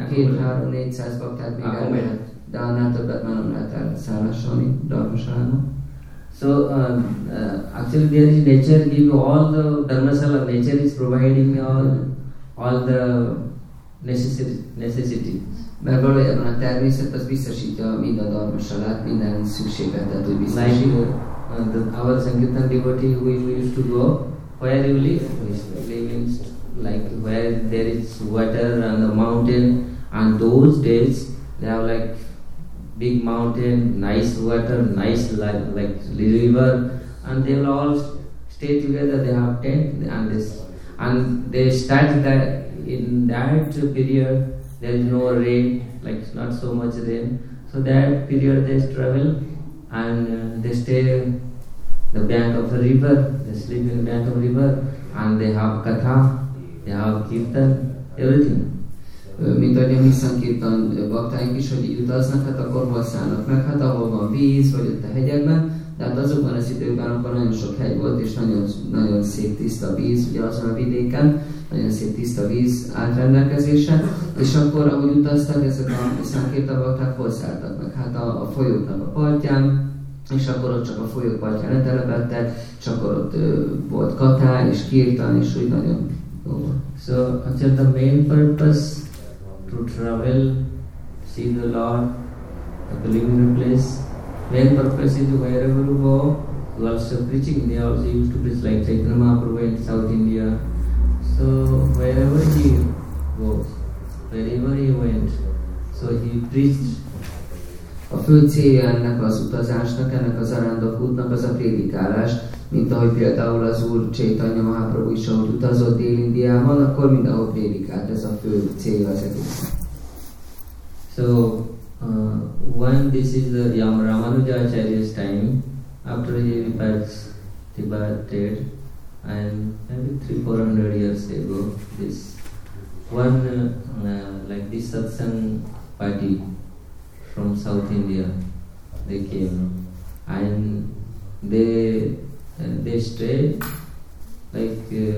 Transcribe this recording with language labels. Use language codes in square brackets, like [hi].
[en] accommodate. Okay, how many sas bhaktas we can dana to batmanam natar sarashoni dharmasala. So actually there is nature give all the dharmasala, nature is providing all the necessities. [hu] Mert valójában a természet az biztosítja mind a dharmasalát, minden szükségletet, hogy biztosítja. [en] Our Sankirtan devotee who used to go, where you live? Living like where there is water and the mountain, and those days they have like big mountain, nice water, nice like river, and they will all stay together, they have tent and this. And they start that in that period, there is no rain, like not so much rain. So that period they travel and they stay in the bank of the river, they sleep in the bank of the river, and they have katha, they have kirtan, everything. [hu] Mint ahogy a Visszankirtan baktáink is, hogy utaznak, hát akkor hol szállnak meg? Hát ahol van víz, vagy ott a hegyekben, de hát azokban az időkben akkor nagyon sok hegy volt, és nagyon, nagyon szép tiszta víz, ugye azon a vidéken, nagyon szép tiszta víz állt rendelkezésre, és akkor ahogy utaztak, ezek a Visszankirtan bakták hol szálltak meg? Hát a folyóknak a partján, és akkor ott csak a folyó partján letelepedtek, csak ott volt katá, és kirtan, és úgy nagyon jó volt. [en] So, actually the main purpose to travel, see the Lord, the preliminary place. Main purpose is wherever you go, you also preaching. They also used to preach like Chaitanya Mahaprabhu in South India. So wherever he goes, wherever he went, so he preached. [hu] A fő célja ennek az utazásnak, ennek az arándokútnak az a prédikálás, mint ahogy például az Úr Chaitanya Mahaprabhu is, ahogy utazott Dél-Indiában, akkor mindenhol prédikált, ez a fő cél az egész. [en] So, when this is the Ramanuja Acharya's time, after he departs Tibet, and maybe 300-400 years ago, this one, like this satsang party from South India, they came, and they stay like